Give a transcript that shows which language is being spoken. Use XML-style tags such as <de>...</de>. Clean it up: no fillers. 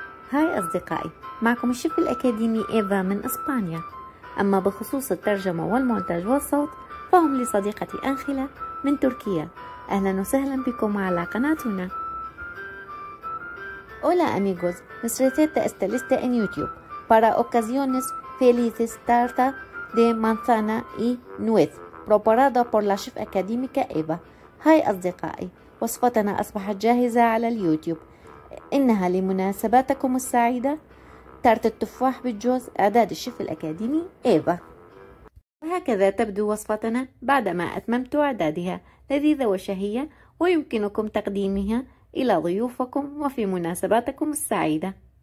<ar>هاي أصدقائي، معكم الشيف الأكاديمي إيفا من إسبانيا. أما بخصوص الترجمة والمونتاج والصوت فهم لصديقتي أنخلة من تركيا. أهلا وسهلا بكم على قناتنا.</ar> <es>Hola amigos, mis receta está lista en YouTube para ocasiones felices tarta de manzana y nuez preparada por la chef académica Eva.</es> <ar>هاي أصدقائي، وصفتنا أصبحت جاهزة على اليوتيوب. إنها لمناسباتكم السعيدة. تارت التفاح بالجوز، إعداد الشيف الأكاديمي إيفا. وهكذا تبدو وصفتنا بعدما أتممت إعدادها، لذيذة وشهية، ويمكنكم تقديمها إلى ضيوفكم وفي مناسباتكم السعيدة.</ar>